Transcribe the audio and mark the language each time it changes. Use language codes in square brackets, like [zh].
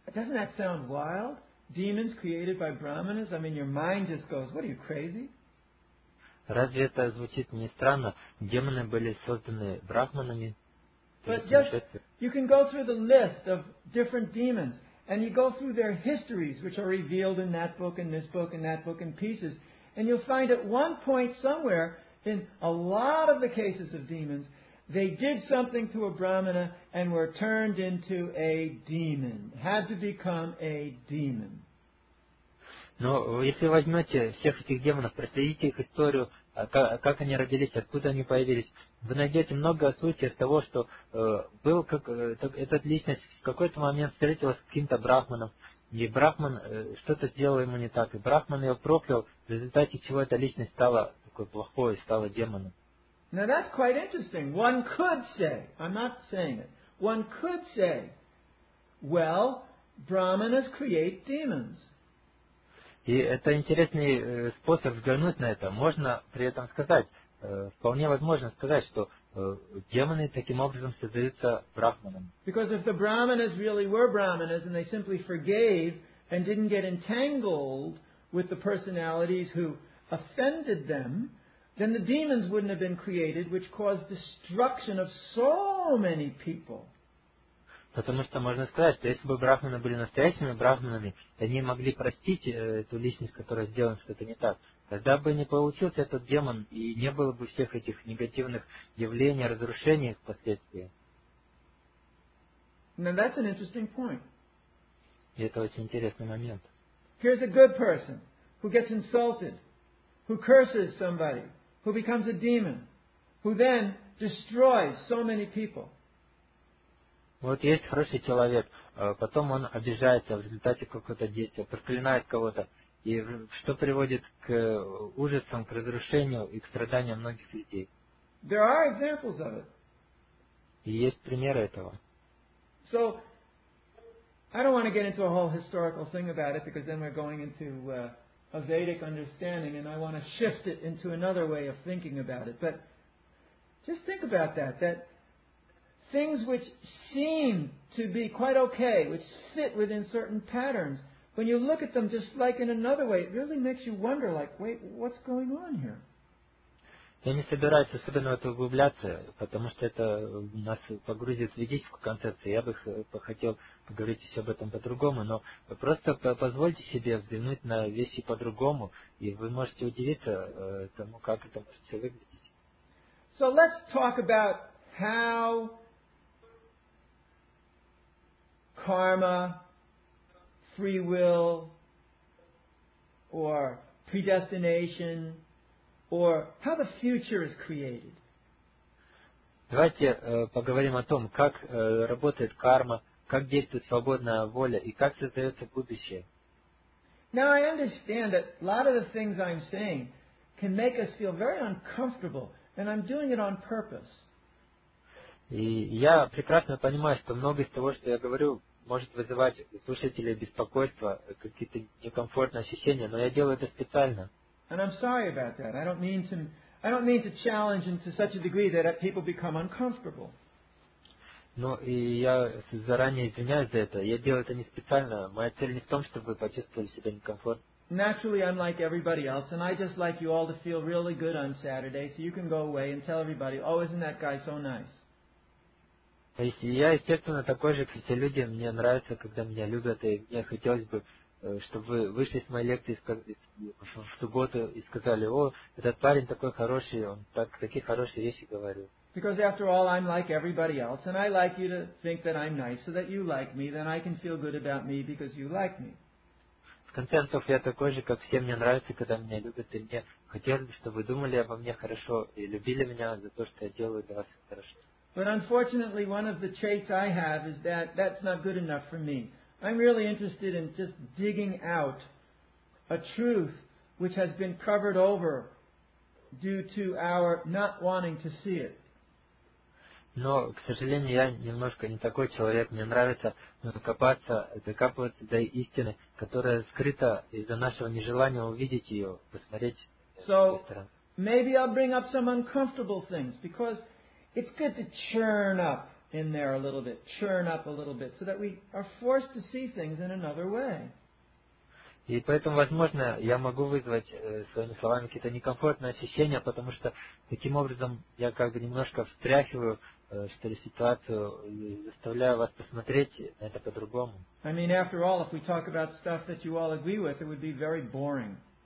[en] Doesn't that sound wild? Demons created by brahmanas? I mean, your mind just goes, what are you, crazy? [ru] Разве это звучит не странно? Демоны были созданы брахманами. [en] But just, you can go through the list of different demons, and you go through their histories, which are revealed in that book, in this book, in that book, in pieces. And you'll find at one point somewhere, in a lot of the cases of demons, they did something to a brahmana and were turned into a demon, had to become a demon. [ru] Но если возьмете всех этих демонов, проследите их историю, как они родились, откуда они появились, вы найдете много случаев того, что был как этот личность в какой-то момент встретилась с каким-то брахманом. И брахман что-то сделал ему не так, и брахман его проклял, в результате чего эта личность стала такой плохой, стала демоном. [en] Now that's quite interesting. One could say, I'm not saying it, one could say, well, brahmanas create demons. [ru] И это интересный способ взглянуть на это. Можно при этом сказать, вполне возможно сказать, что демоны таким образом создаются брахманами. [en] Because if the brahmanas really were brahmanas and they simply forgave and didn't get entangled with the personalities who offended them, then the demons wouldn't have been created, which caused destruction of so many people. [ru] Потому что можно сказать, что если бы брахманы были настоящими брахманами, они могли простить эту личность, которая сделала что-то не так. Тогда бы не получился этот демон, и не было бы всех этих негативных явлений, разрушений впоследствии. [en] Now that's an interesting point. [ru] И это очень интересный момент. [en] Here's a good person who gets insulted, who curses somebody, who becomes a demon, who then destroys so many people. [ru] Вот есть хороший человек, потом он обижается в результате какого-то действия, проклинает кого-то, и что приводит к ужасам, к разрушению и к страданиям многих людей. [en] There are examples of it. [ru] И есть примеры этого. [en] So, I don't want to get into a whole historical thing about it, because then we're going into a Vedic understanding, and I want to shift it into another way of thinking about it. But just think about that, that things which seem to be quite okay, which fit within certain patterns, when you look at them just like in another way, it really makes you wonder, like, wait, what's going on here? [ru] Я не собираюсь особенно в это углубляться, потому что это нас погрузит в ведическую концепцию. Я бы хотел поговорить еще об этом по-другому, но просто позвольте себе взглянуть на вещи по-другому, и вы можете удивиться тому, как это может все выглядеть. [en] So let's talk about how karma, free will, or predestination, or how the future is created. [ru] Давайте поговорим о том, как работает карма, как действует свободная воля и как создается будущее. [en] Now I understand that a lot of the things I'm saying can make us feel very uncomfortable, and I'm doing it on purpose. [ru] И я прекрасно понимаю, что многое из того, что я говорю, может вызывать у слушателей беспокойство, какие-то некомфортные ощущения, но я делаю это специально. [en] And I'm sorry about that. I don't mean to challenge him to such a degree that people become uncomfortable. [ru] Ну, и я заранее извиняюсь за это. Я делаю это не специально. Моя цель не в том, чтобы вы почувствовали себя некомфортно. [en] Naturally, I'm like everybody else, and I just like you all to feel really good on Saturday, so you can go away and tell everybody, oh, isn't that guy so nice? [ru] Я, естественно, такой же, как все люди. Мне нравится, когда меня любят, и мне хотелось бы, чтобы вы вышли с моей лекции в субботу и сказали, о, этот парень такой хороший, он такие хорошие вещи говорил. [en] Because after all, I'm like everybody else, and I like you to think that I'm nice, so that you like me, then I can feel good about me, because you like me. [ru] В конце концов, я такой же, как все, мне нравится, когда меня любят, и мне хотелось бы, чтобы вы думали обо мне хорошо и любили меня за то, что я делаю для вас хорошо. [en] But unfortunately, one of the traits I have is that that's not good enough for me. I'm really interested in just digging out a truth which has been covered over due to our not wanting to see it. [ru] Но, к сожалению, я немножко не такой человек. Мне нравится копаться, докапываться до истины, которая скрыта из-за нашего нежелания увидеть ее, посмотреть. [en] So, maybe I'll bring up some uncomfortable things, because it's good to churn up in there a little bit, churn up a little bit, so that we are forced to see things in another way. [ru] И поэтому, возможно, я могу вызвать своими словами какие-то некомфортные ощущения, потому что таким образом я как бы немножко встряхиваю, что ли, ситуацию, заставляю вас посмотреть на это по-другому. [en] I mean, after all, if we talk about stuff that you all agree with, it would be very boring.